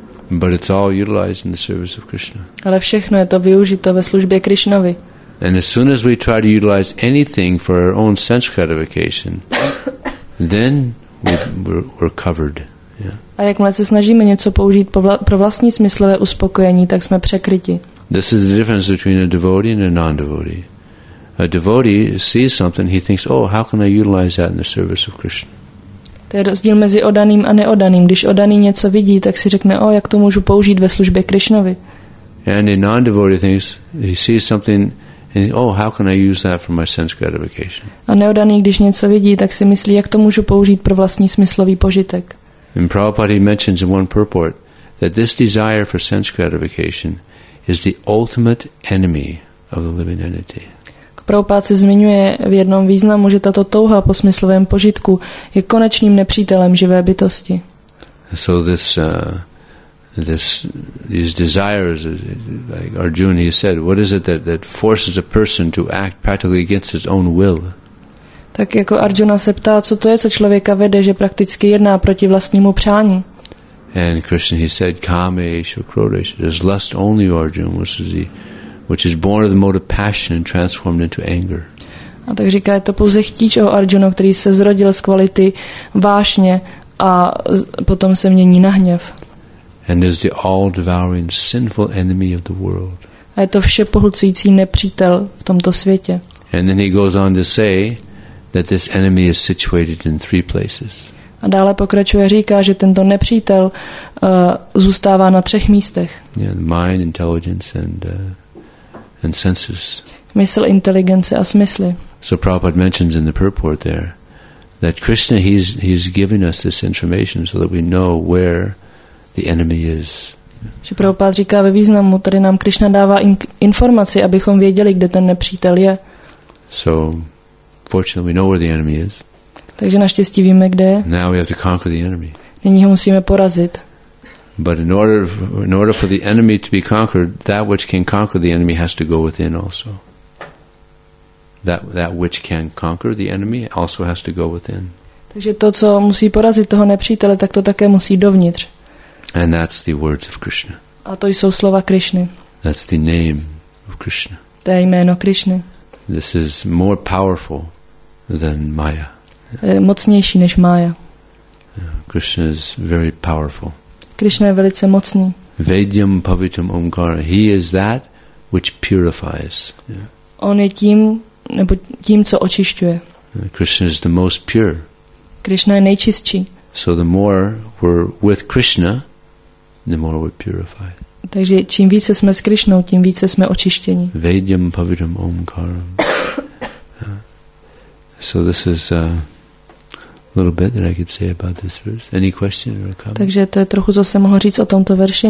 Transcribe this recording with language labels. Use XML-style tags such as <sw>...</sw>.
<en>But it's all utilized in the service of Krishna.</en> <cs>Ale všechno je to využito ve službě Krishnovi.</cs> <en>And as soon as we try to utilize anything for our own sense gratification, then we're covered. Yeah.</en> <cs>A jakmile se snažíme něco použít pro vlastní smyslové uspokojení, tak jsme překryti.</cs> <en>This is the difference between a devotee and a non-devotee. A devotee sees something, he thinks, oh, how can I utilize that in the service of Krishna?</en> <cs>To je rozdíl mezi odaným a neodaným. Když odaný něco vidí, tak si řekne, oh, jak to můžu použít ve službě Krishnovi.</cs> <en>And a non-devotee thinks, he sees something, and thinks, oh, how can I use that for my sense gratification?</en> <cs>A neodaný, když něco vidí, tak si myslí, jak to můžu použít pro vlastní smyslový požitek.</cs> <en>And Prabhupada mentions in one purport that this desire for sense gratification is the ultimate enemy of the living entity.</en> <cs>Prabhupád se zmiňuje v jednom významu, že tato touha po smyslovém požitku je konečným nepřítelem živé bytosti.</cs> <en>So these desires, like Arjuna, he said, what is it that forces a person to act practically against his own will?</en> <cs>Tak jako Arjuna se ptá, co to je, co člověka vede, že prakticky jedná proti vlastnímu přání.</cs> <en>And Krishna, he said,</en> <sa>kamesha krodesha,</sa> <en>there's lust only, Arjuna, which is born of the mode of passion and transformed into anger.</en> <cs>A tak říká, je to pouze chtíč o Arjuna, který se zrodil z kvality vášně a potom se mění na hněv.</cs> <en>And is the all-devouring sinful enemy of the world.</en> <cs>A je to vše pohlcující nepřítel v tomto světě.</cs> <en>And then he goes on to say that this enemy is situated in three places.</en> <cs>A dále pokračuje, říká, že tento nepřítel zůstává na třech místech.</cs> <en>Yeah, mind, intelligence and senses.</en> <cs>Mysl, inteligence a smysly.</cs> <en>So Prabhupada mentions in the purport there that Krishna he's giving us this information so that we know where the enemy is.</en> <cs>Že Prabhupada říká ve významu, tady nám Krishna dává informaci, abychom věděli, kde ten nepřítel je.</cs> <en>So fortunately we know where the enemy is.</en> <cs>Takže naštěstí víme, kde je.</cs> <en>Now we have to conquer the enemy.</en> <cs>Nyní ho musíme porazit.</cs> <en>But in order for the enemy to be conquered, that which can conquer the enemy has to go within also. That which can conquer the enemy also has to go within.</en> <cs>Takže to, co musí porazit toho nepřítele, tak to také musí dovnitř.</cs> <en>And that's the words of Krishna.</en> <cs>A to jsou slova Krishny.</cs> <en>That's the name of Krishna.</en> <cs>To je jméno Krishny.</cs> <en>This is more powerful than Maya.</en> <cs>Je mocnější než Maya.</cs> <en>Krishna is very powerful.</en> <cs>Krishna je velice mocný.</cs> <sa>Vedyam pavitam omkar.</sa> <en>He is that which purifies. Yeah.</en> <cs>On je tím, nebo tím, co očišťuje.</cs> <en>Krishna is the most pure.</en> <cs>Krishna je nejčistší.</cs> <en>So the more we're with Krishna, the more we're purified.</en> <cs>Takže čím více jsme s Krishnou, tím více jsme očištěni.</cs> <sa>Vedyam pavitam omkaram.</sa> <en>So this is a little bit that I could say about this verse. Any question or comment?</en> <cs>Takže to je trochu, co jsem mohl říct o tomto verši.</cs>